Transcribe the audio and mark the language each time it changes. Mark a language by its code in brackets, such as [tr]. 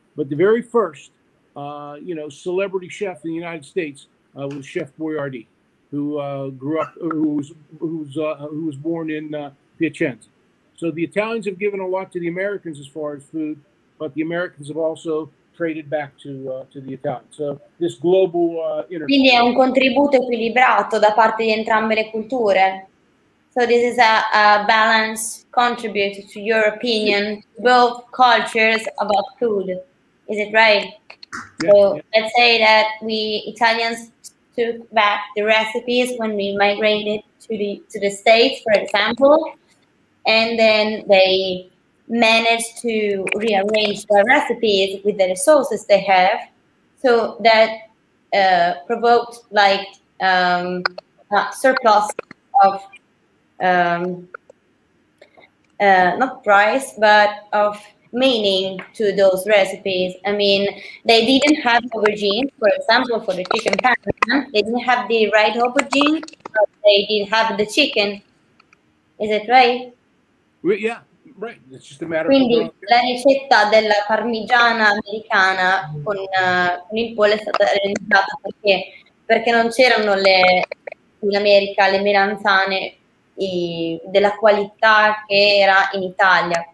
[en] But the very first, celebrity chef in the United States was Chef Boyardee, who was born in Piacenza. So the Italians have given a lot to the Americans as far as food, but the Americans have also traded back to the Italians. So this global interface. [it] Quindi è un contributo equilibrato da parte di entrambe le culture. [en] So this is a balanced contribute to your opinion, both cultures about food. Is it right? Yeah, let's say that we Italians took back the recipes when we migrated to the States, for example, and then they managed to rearrange their recipes with the resources they have. So that provoked like a surplus of not price, but of meaning to those recipes. I mean, they didn't have aubergine, for example, for the chicken parmesan. They didn't have the right aubergine, but they did have the chicken. Is it right? Yeah, right. It's just a matter [it] quindi, of... Quindi, la ricetta della parmigiana americana con il pollo è stata realizzata perché non c'erano le in America le melanzane della qualità che era in Italia.